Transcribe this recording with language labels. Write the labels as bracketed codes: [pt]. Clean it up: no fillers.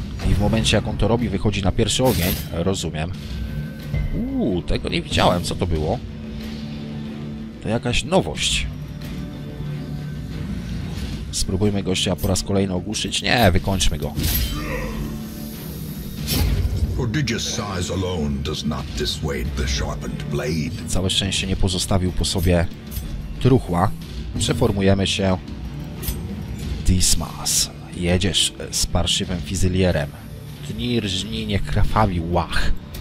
[pl] I w momencie, jak on to robi, wychodzi na pierwszy ogień. Rozumiem. Tego nie widziałem. Co to było? To jakaś nowość. Spróbujmy gościa po raz kolejny ogłuszyć. Nie, wykończmy go. [en] Prodigious size alone does not dissuade the sharpened blade. [pl] Całe szczęście nie pozostawił po sobie truchła. Przeformujemy się. Dismas. Jedziesz z parszywym fizylierem. Dni rżni, nie krwawi łach.